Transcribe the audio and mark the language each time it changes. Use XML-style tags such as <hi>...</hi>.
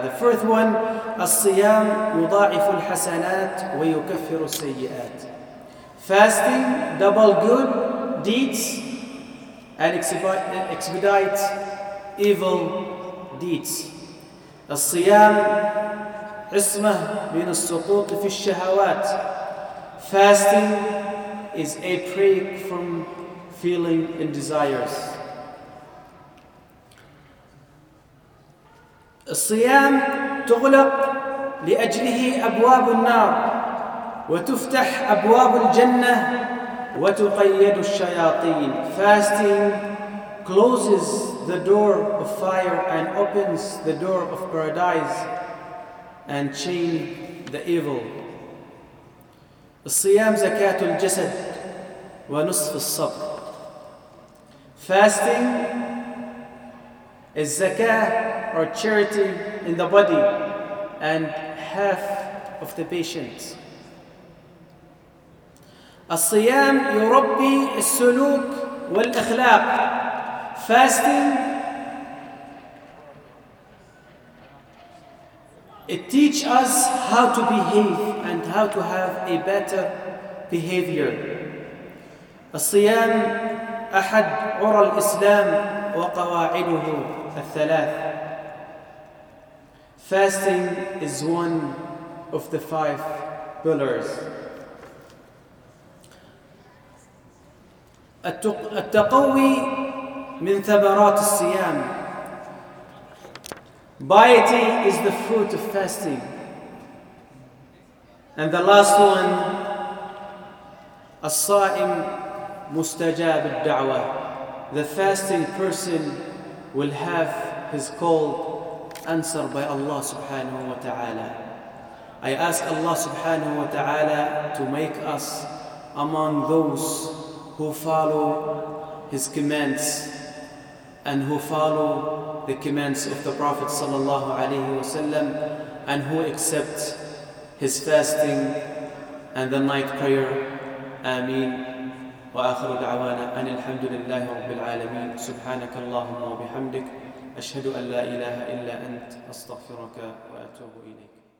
<en>The first one,</en> <ar>الصيام مضاعف الحسنات ويكفر السيئات.</ar> <en>Fasting, double good deeds and expedite evil deeds.</en> <ar>الصيام عصمة من السقوط في الشهوات.</ar> <en>Fasting is a break from feeling and desires.</en> <ar>الصيام تغلق لأجله أبواب النار وتفتح أبواب الجنة وتقيد الشياطين.</ar> <en>Fasting closes the door of fire and opens the door of paradise and chain the evil.</en> <ar>الصيام زكاة الجسد ونصف الصبر.</ar> <en>Fasting is zakah or charity in the body and half of the patience.</en> <ar>الصيام يربي السلوك والأخلاق.</ar> <en>Fasting, it teach us how to behave and how to have a better behavior.</en> <ar>الصيام أحد عرى الإسلام وقواعده الثلاث.</ar> <en>Fasting is one of the five pillars.</en> <ar>التقوي من ثمرات الصيام.</ar> <en>Piety is the fruit of fasting. And the last one,</en> <ar>الصائم مستجاب الدعوة.</ar> <en>The fasting person will have his call answered by Allah subhanahu wa ta'ala. I ask Allah subhanahu wa ta'ala to make us among those who follow his commands and who follow the commands of the Prophet sallallahu alayhi wa sallam and who accept his fasting and the night prayer. Ameen.</en> <ar>وآخر دعوانا أن الحمد لله رب العالمين سبحانك اللهم وبحمدك أشهد أن لا إله إلا أنت أستغفرك وأتوب إليك.</ar>